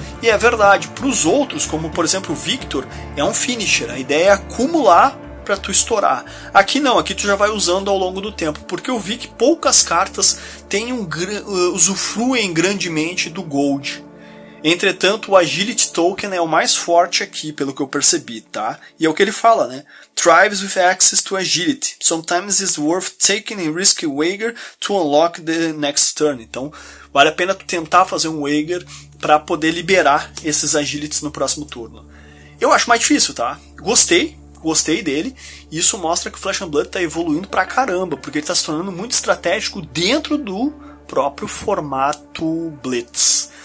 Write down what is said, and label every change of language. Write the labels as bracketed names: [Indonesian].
[Portuguese] E é verdade, pros outros, como por exemplo o Victor, é um finisher. A ideia é acumular pra tu estourar. Aqui não, aqui tu já vai usando ao longo do tempo. Porque eu vi que poucas cartas têm usufruem grandemente do Gold. Entretanto, o Agility Token é o mais forte aqui, pelo que eu percebi, tá? E é o que ele fala, né? [English] Thrives with access to agility. Sometimes it's worth taking a risky wager to unlock the next turn. [Portuguese] Então, vale a pena tu tentar fazer um wager para poder liberar esses agilities no próximo turno. Eu acho mais difícil, tá? Gostei dele. Isso mostra que o Flesh and Blood tá evoluindo pra caramba, porque ele tá se tornando muito estratégico dentro do próprio formato Blitz.